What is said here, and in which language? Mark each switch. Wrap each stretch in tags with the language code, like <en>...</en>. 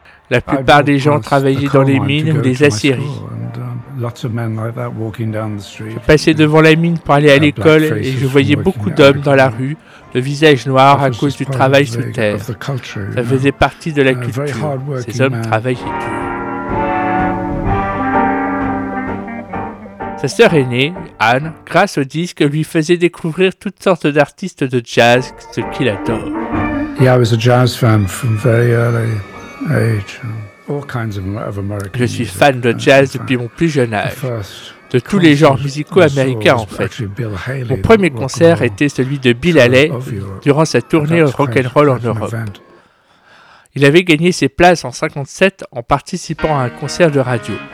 <fr>La plupart des gens travaillaient dans les mines ou les aciéries. Je passais devant la mine pour aller à l'école et je voyais beaucoup d'hommes dans la rue, le visage noir à cause du travail sous terre. Ça faisait partie de la culture. Ces hommes travaillaient dur. Sa sœur aînée, Anne, grâce au disque, lui faisait découvrir toutes sortes d'artistes de jazz, ce qu'il adore.</fr> <en>Yeah, I was a jazz fan from very early age. All kinds of American.</en> <fr>Je suis fan de jazz depuis mon plus jeune âge. De tous les genres musicaux américains, en fait. Mon premier concert était celui de Bill Haley durant sa tournée rock'n'roll en Europe. Il avait gagné ses places en 57 en participant à un concert de radio.</fr>